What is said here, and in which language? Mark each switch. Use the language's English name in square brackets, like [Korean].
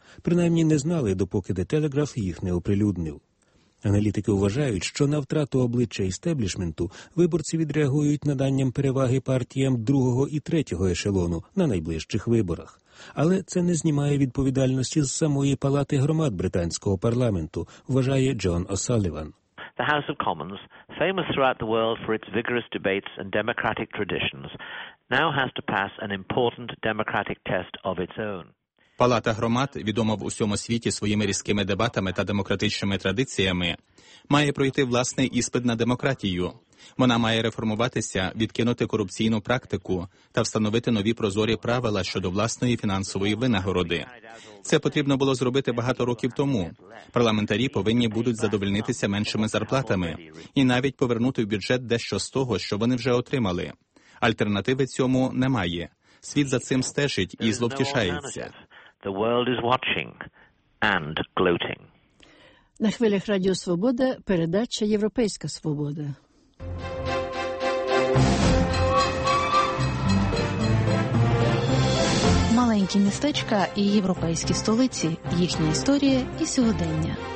[Ukrainian] Принаймні, не знали, допоки The Telegraph їх не оприлюднив. Аналітики вважають, що на втрату обличчя істеблішменту виборці відреагують наданням переваги партіям другого і третього ешелону на найближчих виборах. Але це не знімає відповідальності з самої Палати громад британського парламенту, вважає Джон О'Салліван. [English] The House of Commons, famous throughout the world for its vigorous debates and democratic traditions, now has to pass an important democratic test of its own. [Ukrainian] Палата громад, відома в усьому світі своїми різкими дебатами та демократичними традиціями, має пройти власний іспит на демократію. Вона має реформуватися, відкинути корупційну практику та встановити нові прозорі правила щодо власної фінансової винагороди. Це потрібно було зробити багато років тому. Парламентарі повинні будуть задовольнитися меншими зарплатами і навіть повернути в бюджет дещо з того, що вони вже отримали. Альтернативи цьому немає. Світ за цим стежить і зловтішається. [English] The world is watching and gloating. [Ukrainian] На хвилях Радіо Свобода передача «Європейська свобода». Маленькі містечка і європейські столиці, їхня історія і сьогодення.